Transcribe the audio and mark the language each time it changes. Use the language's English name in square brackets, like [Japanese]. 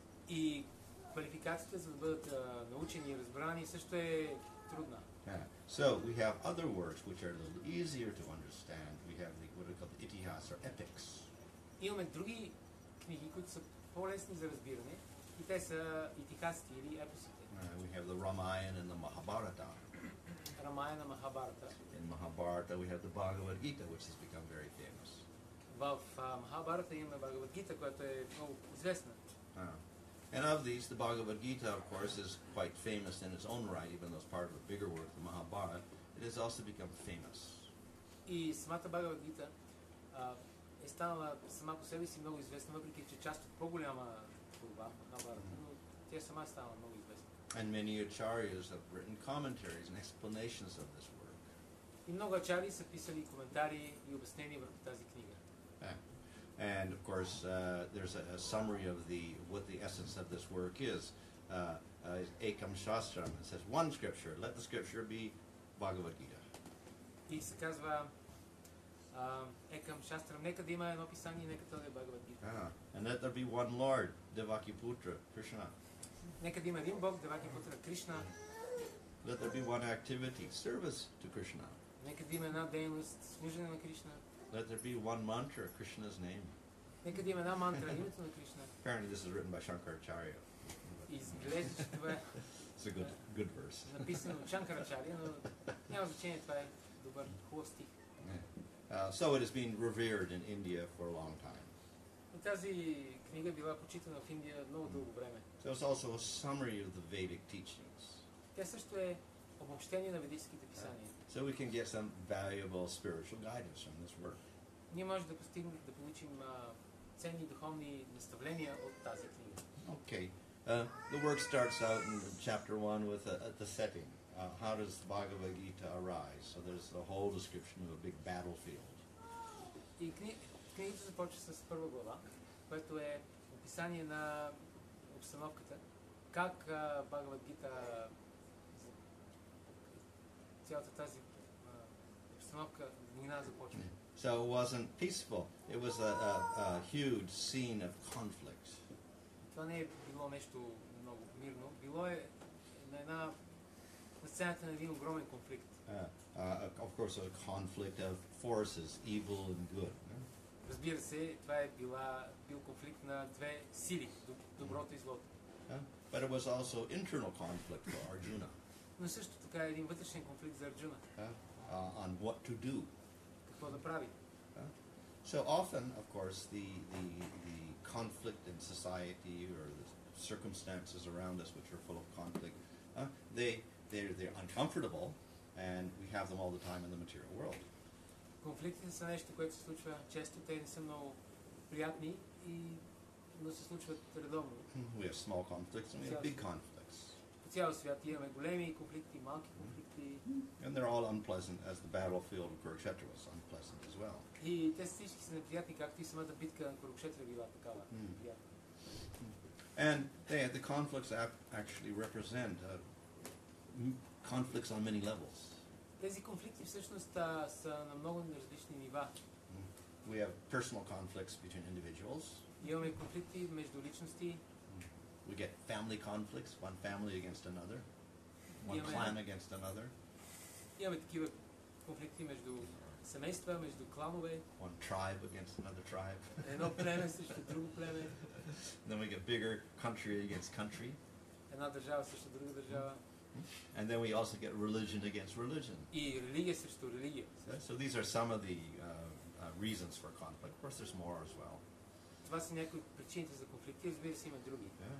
[Bulgarian] И квалификацията за да бъдат научени и разбрани също е трудна. [English] So we have other works which are a little easier to understand. We have the, what are called the itihas or epics. [Bulgarian] Имаме други книги, които са по-лесни за разбиране, и те са итихасите или епосите. [English] We have the Ramayana and the Mahabharata. Ramayana Mahabharata. In Mahabharata we have the Bhagavad Gita, which has become very famous. [Bulgarian] В Mahabharata имаме Bhagavad Gita, която е много известна. [English] And of these, the Bhagavad Gita, of course, is quite famous in its own right, even though it's part of a bigger work, the Mahabharata. It has also become famous. [Bulgarian] И самата Bhagavad Gita е станала сама по себе си много известна, въпреки че част от по-голяма творба, Mahabharata, но тя сама е станала много известна. [English] And many acharyas have written commentaries and explanations of this work. [Bulgarian] И много ачари са писали коментари и обяснения върху тази книга. [English] And of course, there's a summary of what the essence of this work is. Ekam Shastram, it says one scripture. Let the scripture be Bhagavad Gita. [Bulgarian] И се казва Ekam Shastram. Нека да има едно писание, нека да е Bhagavad Gita. [English] And let there be one Lord, Devakiputra, Krishna. [Bulgarian] Нека да има един Бог, Девакипутра, Кришна. [English] Let there be one activity, service to Krishna. [Bulgarian] Нека да има една дейност, служене на Кришна. [English] Let there be one mantra, Krishna's name. [Bulgarian] Нека да има една мантра, името на Кришна. [English] Apparently this is written by Shankaracharya. [Bulgarian] Изглежда, че това е... [English] It's a good verse. [Bulgarian] Написано от Shankaracharya, но няма значение, това е добър, хубав стих. [English] So it has been revered in India for a long time. [Bulgarian] Тази книга била почитана в Индия много дълго време. [English] So it's also a summary of the Vedic teachings. [Bulgarian] Тя също е обобщение на ведическите писания. [English] So we can get some valuable spiritual guidance from this work. [Bulgarian] Ние може да постигнем да получим ценни духовни наставления от тази книга. [English] Okay. The work starts out in chapter 1 with the setting. How does the Bhagavad Gita arise? So there's the whole description of a big battlefield. [Bulgarian] И книгата започва с първа глава, което е описание на обстановката. Как Bhagavad Gita цялата тази обстановка, война започва. [English] So it wasn't peaceful. It was a huge scene of conflict. [Bulgarian] Това не е било нещо много мирно. Било е на сцената на един огромен конфликт. [English] Of course, a conflict of forces, evil and good. [Bulgarian] Разбира се, това е бил конфликт на две сили, доброто и злото. [English] But it was also internal conflict for Arjuna. [Bulgarian] Но също така е един вътрешен конфликт за Арджуна. [English] On what to do. [Bulgarian] Какво да прави. [English] So often, of course, the conflict in society or the circumstances around us which are full of conflict, they're uncomfortable and we have them all the time in the material world. [Bulgarian] Конфликтите са нещо, което се случва често, те не са много приятни, но се случват редовно. [English] We have small conflicts and we have big conflicts. [Bulgarian] По цял свят имаме големи конфликти, малки конфликти. [English] And they're all unpleasant, as the battlefield of Kurukshetra was unpleasant as well. [Bulgarian] И те всички са неприятни, както и самата битка на Курукшетра била такава. [English] And the conflicts actually represent conflicts on many levels. [Bulgarian] Тези конфликти всъщност са на много различни нива. [English] We have personal conflicts between individuals. [Bulgarian] Имаме конфликти между личности. [English] We get family conflicts, one family against another, one clan against another. [Bulgarian] Имаме такива конфликти между семейства, между кланове. [English] One tribe against another tribe. [Bulgarian] Едно племе срещу друго племе. [English] Then we get bigger country against country. [Bulgarian] Една държава срещу друга държава. [English] And then we also get religion against religion. [Bulgarian] И религия срещу религия. [English] So these are some of the reasons for conflict. Of course, there's more as well. [Bulgarian] Това са някои причините за конфликти, разбира се, има други.